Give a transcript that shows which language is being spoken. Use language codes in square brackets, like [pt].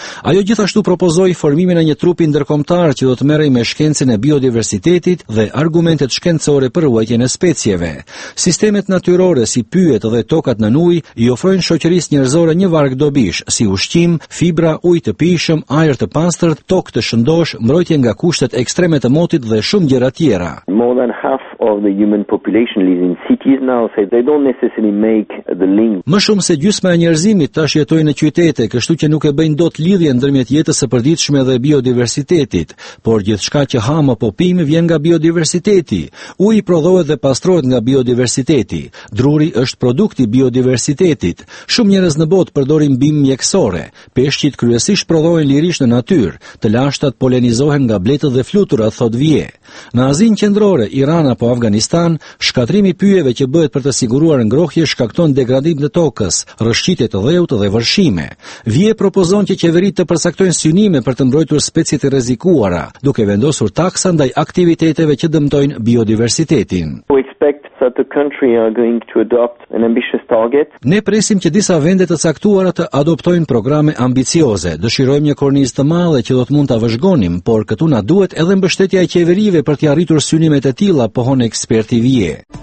[sq] Ajo gjithashtu propozoi formimin e një trupi ndërkombëtar që do të merrej me shkencën e biodiversitetit dhe argumentet shkencore për ruajtjen e specieve. Sistemet natyrore si pyjet dhe tokat nën ujë i ofrojnë shoqërisë njerëzore një varg dobish, si ushqim, fibra, ujë të pishëm, ajër të pastër, tokë të shëndosh, mbrojtje nga kushtet ekstreme të motit dhe shumë gjëra tjera. [en] More than half of the human population lives in cities now, so they don't necessarily make the link. [sq] Më shumë se gjysma e njerëzimit tash jetojnë në qytete, kështu që nuk e bëjnë dot lidhje ndërmjet jetës së përditshme dhe biodiversitetit, por gjithçka që ham apo pim vjen nga biodiversiteti. Uji prodhohet dhe pastrohet nga biodiversiteti. Druri është produkti biodiversitetit. Shumë njerëz në botë përdorin bimë mjekësore. Peshqit kryesisht prodhohen lirisht në natyrë. Të lashtat polenizohen nga bletët dhe fluturat, thot Vie. Në Azinë Qendrore, Iran apo Afganistan, shkatrimi pyjeve që bëhet për të siguruar ngrohje shkakton degradim të tokës, rrëshqitje të dheut dhe vërshime. Vie propozon që qeveritë të përcaktojnë synime për të mbrojtur specie të rrezikuara, duke vendosur taksa ndaj aktiviteteve që dëmtojnë biodiversitetin. [en] That the country are going to adopt an ambitious target. [sq] Ne presim që disa vende të caktuara të adoptojnë programe ambicioze. Dëshirojmë një kornizë të madhe që do të mund ta vëzhgonim, por këtu na duhet edhe mbështetja e qeverive për të arritur synimet e tilla, pohon eksperti Vie.